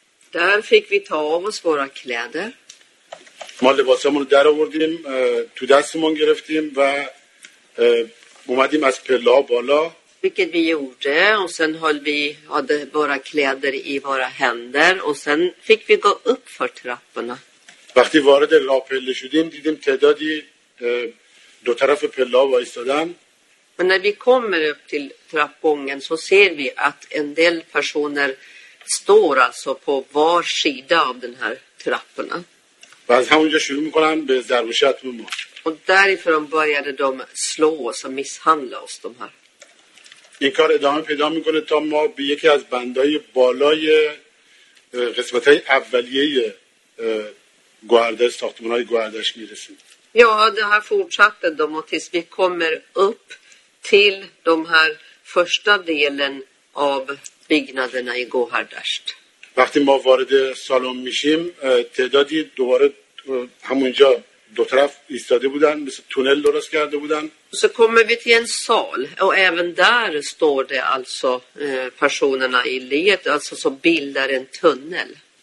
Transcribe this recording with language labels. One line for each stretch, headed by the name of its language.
Swedish: Där fick vi ta av oss våra kläder.
Persian: Ma libasamon dar avordim tu dastmon gereftim va اومدیم از پله‌ها بالا.
Swedish: Vilket vi gjorde och sen höll vi hade våra kläder i våra händer och sen fick vi gå upp för trapporna.
Persian: وقتی وارد راه‌پله شدیم دیدیم تعدادی دو طرف پله‌ها وایستادن.
Swedish: Men när vi kommer upp till trappgången så ser vi att en del personer står alltså på var sida av den här trapporna.
Persian: باز همونجا شروع می‌کنن به ضرب و شتم ما.
Swedish: Och därifrån började de slå oss och misshandla oss de här.
Persian: این کار ادامه پیدا میکنه تا ما به یکی از بندهای بالای قسمت‌های اولیه گوهردشت ساختمان‌های گوهردشت میرسیم.
Swedish: Ja, det här fortsatte då tills vi kommer upp till de här första delen av byggnaderna i Guardasht.
Persian: وقتی ما وارد سالن میشیم تعدادی دوباره همونجا دو طرف ایستاده بودن مثل تونل درست کرده بودن.
Swedish: Så kommer vi till en sal och även där står det alltså personerna i led alltså som bildar en tunnel.